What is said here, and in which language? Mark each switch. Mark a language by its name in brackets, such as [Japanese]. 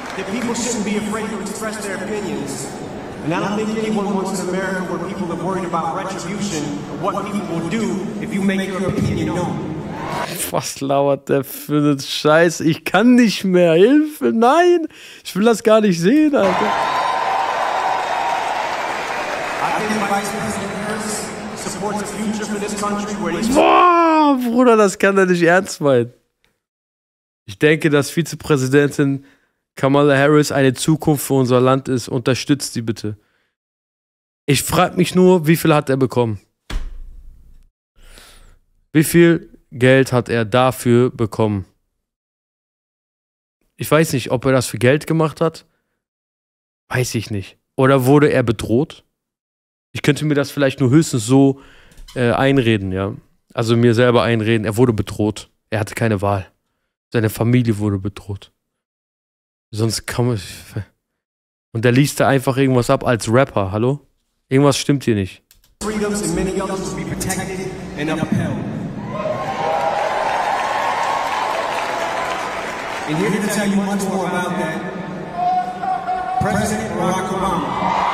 [English] People shouldn't be afraid to express their opinions. And I don't think anyone wants an America where people are worried about retribution or what people will do if you make your opinion known. [German] Was lauert der für eine Scheiße? Ich kann nicht mehr. Hilfe, nein. Ich will das gar nicht sehen, Alter. [English] I think Vice President Harris supports a future for this country where he's... [German] Boah, Bruder, das kann er nicht ernst meinen. Ich denke, dass Vizepräsidentin Kamala Harris eine Zukunft für unser Land ist. Unterstützt sie bitte. Ich frage mich nur, wie viel hat er bekommen? Wie viel Geld hat er dafür bekommen. Ich weiß nicht, ob er das für Geld gemacht hat. Weiß ich nicht. Oder wurde er bedroht? Ich könnte mir das vielleicht nur höchstens so einreden, ja. Also mir selber einreden, er wurde bedroht. Er hatte keine Wahl. Seine Familie wurde bedroht. Sonst kann man... Und er liest da einfach irgendwas ab als Rapper, hallo? Irgendwas stimmt hier nicht. [English] Freedoms and many others to be protected and upheld. And here to tell you much more about that, President Barack Obama.